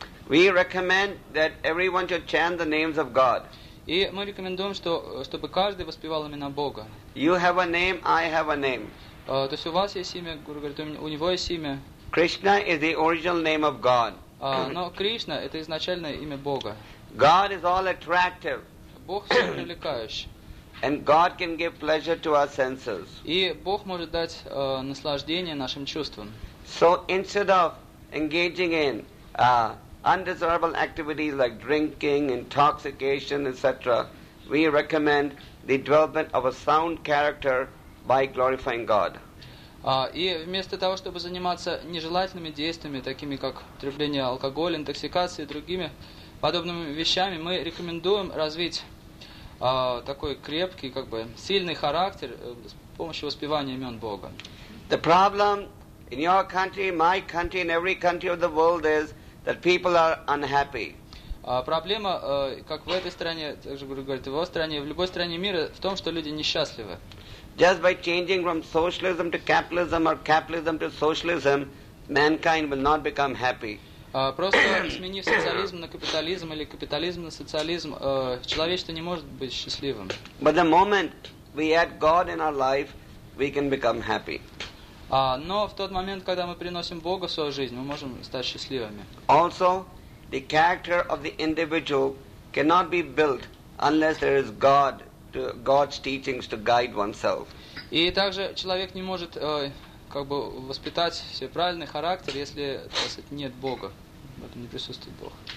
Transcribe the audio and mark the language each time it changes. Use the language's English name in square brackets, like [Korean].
[English] We recommend that everyone should chant the names of God. [Russian] И мы рекомендуем, чтобы каждый воспевал имена Бога. [English] You have a name, I have a name. [Russian] То есть у вас есть имя, Гуру говорит, у него есть имя. [English] Krishna is the original name of God. [Russian] Но Кришна — это изначальное имя Бога. [English] God is all attractive. [Russian] Бог все привлекающий. [English] And God can give pleasure to our senses. [Russian] И Бог может дать наслаждение нашим чувствам. [English] So instead of engaging in undesirable activities like drinking, intoxication, etc., we recommend the development of a sound character by glorifying God. [Russian] И вместо того, чтобы заниматься нежелательными действиями, такими как употребление алкоголя, интоксикации и другими подобными вещами, мы рекомендуем развить такой крепкий, как бы сильный характер с помощью воспевания имен Бога. [English] The problem in your country, my country, in every country of the world is that people are unhappy. [Russian] Проблема, как в этой стране, так же говорит, в его стране, в любой стране мира, в том, что люди несчастливы. [English] Just by changing from socialism to capitalism or capitalism to socialism, mankind will not become happy. [Russian] Просто сменив социализм на капитализм или капитализм на социализм, человечество не может быть счастливым. [English] But the moment we add God in our life, we can become happy. [Russian] Но в тот момент, когда мы приносим Бога в свою жизнь, мы можем стать счастливыми. [English] Also, the character of the individual cannot be built unless there is God, to God's teachings to guide oneself. [Russian] И также человек не может как бы воспитать себе правильный характер, если, так сказать, нет Бога, в этом не присутствует Бог.